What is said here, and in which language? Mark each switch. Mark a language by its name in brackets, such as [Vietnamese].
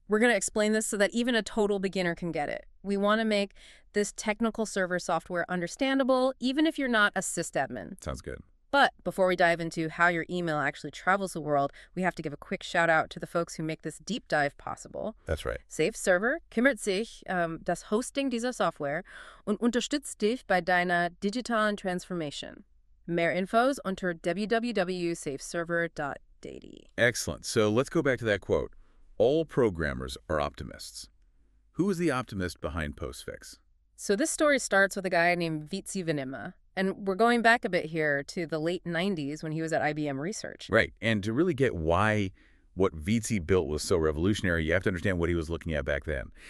[English] We're going to explain this so that even a total beginner can get it. We want to make this technical server software understandable, even if you're not a sysadmin. Sounds good. But before we dive into how your email actually travels the world, we have to give a quick shout out to the folks who make this deep dive possible. That's right. [German] Safe Server kümmert sich das Hosting dieser Software und unterstützt dich bei deiner digitalen Transformation. Mehr Infos unter www.safeserver.de. [English] Excellent. So let's go back to that quote. All programmers are optimists. Who is the optimist behind PostFix? So this story starts with a guy named Vitzi Venema. And we're going back a bit here to the late 90s when he was at IBM Research. Right. And to really get why what Vitzi built was so revolutionary, you have to understand what he was looking at back then.